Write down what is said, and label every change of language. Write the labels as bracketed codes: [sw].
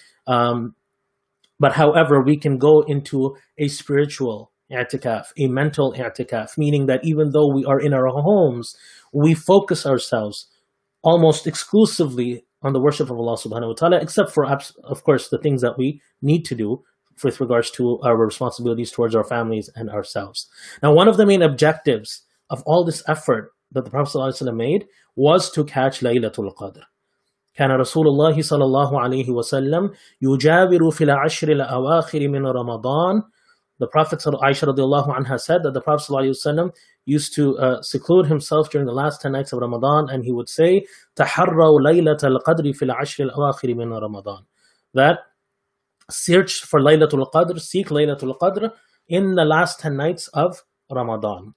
[en] But however, we can go into a spiritual i'tikaf, a mental i'tikaf, meaning that even though we are in our homes, we focus ourselves almost exclusively on the worship of Allah subhanahu wa ta'ala, except for, of course, the things that we need to do with regards to our responsibilities towards our families and ourselves. Now, one of the main objectives of all this effort that the Prophet sallallahu alayhi wa sallam made was to catch Laylatul Qadr. [ar] كان رسول الله صلى الله عليه وسلم يجابر في العشر الأواخر من رمضان. [en] The Prophet Aisha radiallahu anha said that the Prophet sallallahu alayhi wa sallam used to seclude himself during the last 10 nights of Ramadan, and he would say [ar] تحروا ليلة القدر في العشر الأواخر من رمضان, [en] that search for Laylatul Qadr, seek Laylatul Qadr in the last 10 nights of Ramadan.